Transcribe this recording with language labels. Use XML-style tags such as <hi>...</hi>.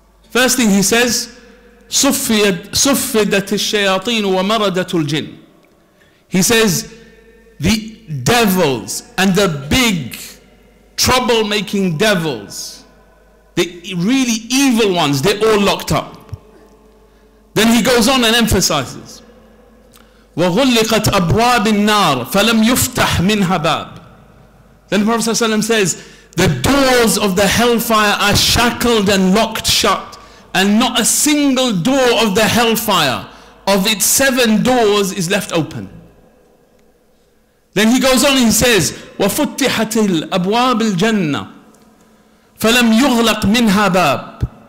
<en>First thing he says,</en> <ar>صُفِّدَتِ الشَّيَاطِينُ وَمَرَدَتُ الْجِنُ.</ar> <en>He says, the devils and the big troublemaking devils, the really evil ones, they're all locked up. Then he goes on and emphasizes,</en> <ar>وَغُلِّقَتْ أَبْوَابِ النَّارِ فَلَمْ يُفْتَحْ مِنْهَا بَابٍ.</ar> <en>Then the Prophet ﷺ says, the doors of the hellfire are shackled and locked shut, and not a single door of the hellfire, of its seven doors, is left open. Then he goes on and he says,</en> <ar>وَفُتِّحَتِ الْأَبْوَابِ الْجَنَّةِ فَلَمْ يُغْلَقْ مِنْهَا بَابٍ.</ar>